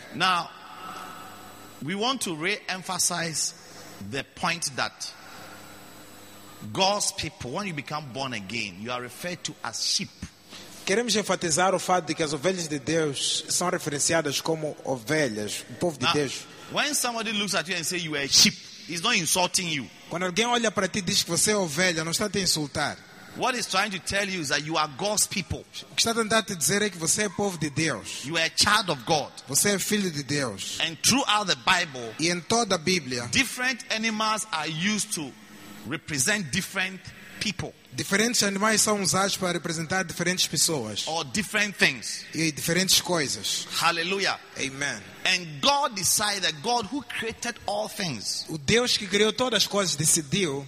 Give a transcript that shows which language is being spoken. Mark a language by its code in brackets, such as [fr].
[en] Now, we want to re-emphasize the point that God's people, when you become born again, you are referred to as sheep. [pt] Queremos enfatizar o fato de que as ovelhas de Deus são referenciadas como ovelhas, o povo de [en] Now, [pt] Deus. [en] When somebody looks at you and says you are a sheep, he's not insulting you. [pt] Quando alguém olha para ti e diz que você é ovelha, não está a te insultar. [en] What he's trying to tell you is that you are God's people. [pt] O que está tentando te dizer é que você é povo de Deus. [en] You are a child of God. [pt] Você é filho de Deus. [en] And throughout the Bible, [pt] e em toda a Bíblia, [en] different animals are used to represent different people. [pt] Diferentes animais são usados para representar diferentes pessoas. [en] Or different things. [pt] E diferentes coisas. [en] Hallelujah. [pt] Amen. [en] And God decided, God who created all things. [pt] O Deus que criou todas as coisas decidiu.